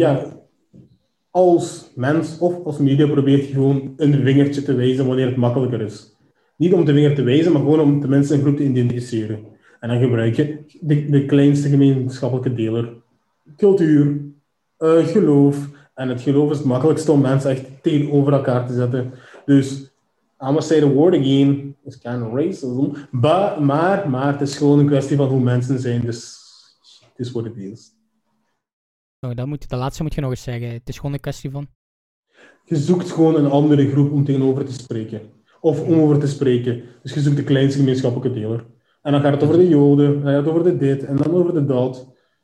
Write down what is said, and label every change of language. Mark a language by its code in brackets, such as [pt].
[nl] doen? Ja, als mens of als media probeert je gewoon een vingertje te wijzen wanneer het makkelijker is. Niet om de vinger te wijzen, maar gewoon om tenminste een groep te identificeren. En dan gebruik je de kleinste gemeenschappelijke deler. Cultuur, geloof. En het geloof is het makkelijkste om mensen echt tegenover elkaar te zetten. Dus... [en] I must say the word again, it's kind of racism. [nl] Maar het is gewoon een kwestie van hoe mensen zijn, dus het is [en] what it is. [nl] Oh, de laatste moet je nog eens zeggen, het is gewoon een kwestie van... Je zoekt gewoon een andere groep om tegenover te spreken. Of om over te spreken. Dus je zoekt de kleinste gemeenschappelijke deler. En dan gaat het over de joden, dan gaat het over de dit, en dan over de dat.